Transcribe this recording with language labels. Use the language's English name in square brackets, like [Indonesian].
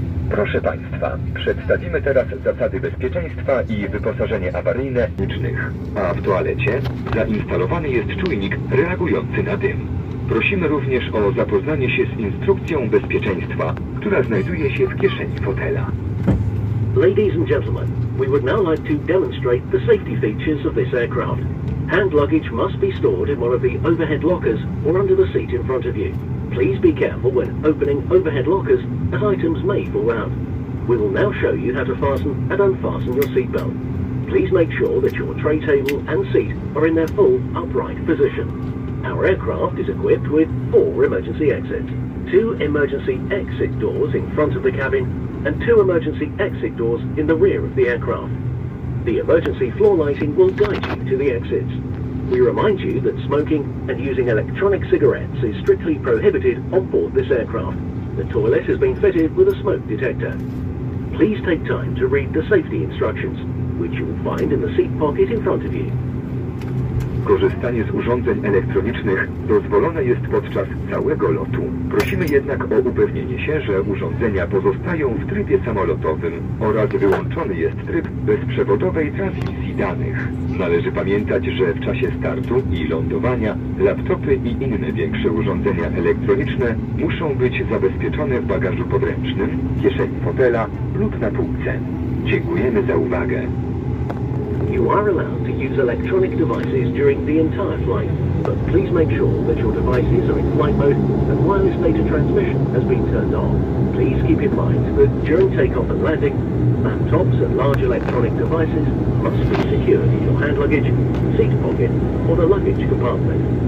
[Polish] Proszę Państwa, przedstawimy teraz zasady bezpieczeństwa i wyposażenie awaryjne licznych. A w toalecie zainstalowany jest czujnik reagujący na dym. Prosimy również o zapoznanie się z instrukcją bezpieczeństwa, która znajduje się w kieszeni fotela. [English] Ladies and gentlemen, we would now like to demonstrate the safety features of this aircraft. Hand luggage must be stored in one of the overhead lockers or under the seat in front of you. Please be careful when opening overhead lockers, as items may fall out. We will now show you how to fasten and unfasten your seatbelt. Please make sure that your tray table and seat are in their full upright position. Our aircraft is equipped with 4 emergency exits, 2 emergency exit doors in front of the cabin, and 2 emergency exit doors in the rear of the aircraft. The emergency floor lighting will guide you to the exits. We remind you that smoking and using electronic cigarettes is strictly prohibited on board this aircraft. The toilet has been fitted with a smoke detector. Please take time to read the safety instructions, which you will find in the seat pocket in front of you. [Polish] Korzystanie z urządzeń elektronicznych dozwolone jest podczas całego lotu. Prosimy jednak o upewnienie się, że urządzenia pozostają w trybie samolotowym oraz wyłączony jest tryb bezprzewodowej transmisji danych. Należy pamiętać, że w czasie startu i lądowania laptopy i inne większe urządzenia elektroniczne muszą być zabezpieczone w bagażu podręcznym, kieszeni fotela lub na półce. Dziękujemy za uwagę. [English] You are allowed to use electronic devices during the entire flight, but please make sure that your devices are in flight mode and wireless data transmission has been turned on. Please keep in mind that during takeoff and landing, laptops and large electronic devices must be secured in your hand luggage, seat pocket, or the luggage compartment.